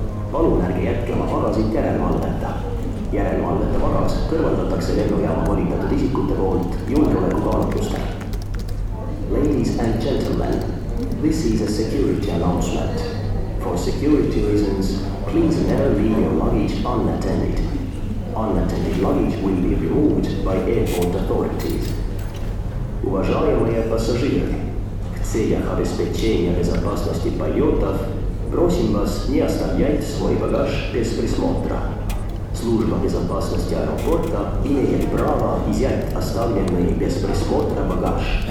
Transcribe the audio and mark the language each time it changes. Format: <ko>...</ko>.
<et>Palun ärge jätke oma varasid järelvalveta. Järelvalveta varas kõrvaldatakse lennujaama volitatud isikute poolt julgeoleku kaalutlustel.</et> <en>Ladies and gentlemen, this is a security announcement. For security reasons, please never leave your luggage unattended. Unattended luggage will be removed by airport authorities.</en> <ru>Уважаемые пассажиры, в целях обеспечения безопасности полетов просим вас не оставлять свой багаж без присмотра. Служба безопасности аэропорта имеет право изъять оставленный без присмотра багаж.</ru>